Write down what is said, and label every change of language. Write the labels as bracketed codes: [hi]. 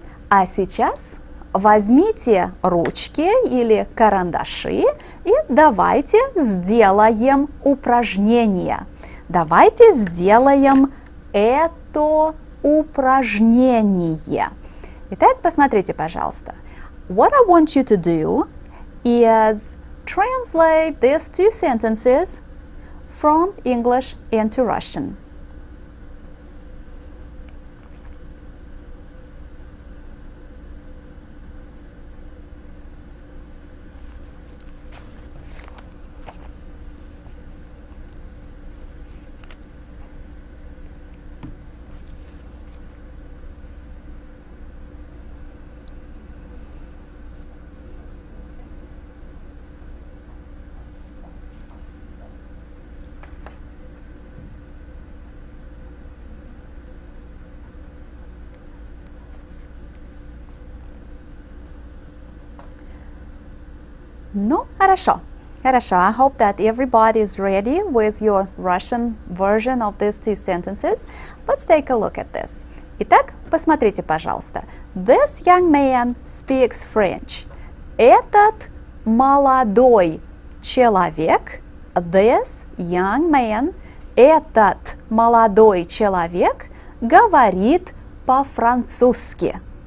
[ru] А сейчас возьмите ручки или карандаши и давайте сделаем упражнение. Давайте сделаем это упражнение. Итак, посмотрите, пожалуйста. [en] What I want you to do is translate these two sentences from English into Russian. [ru] Ну, хорошо. Хорошо. [en] I hope that everybody is ready with your Russian version of these two sentences. Let's take a look at this. [ru] Итак, посмотрите, пожалуйста. [en] This young man speaks French. [ru] Этот молодой человек. [en] This young man. [ru] Этот молодой человек говорит по-французски.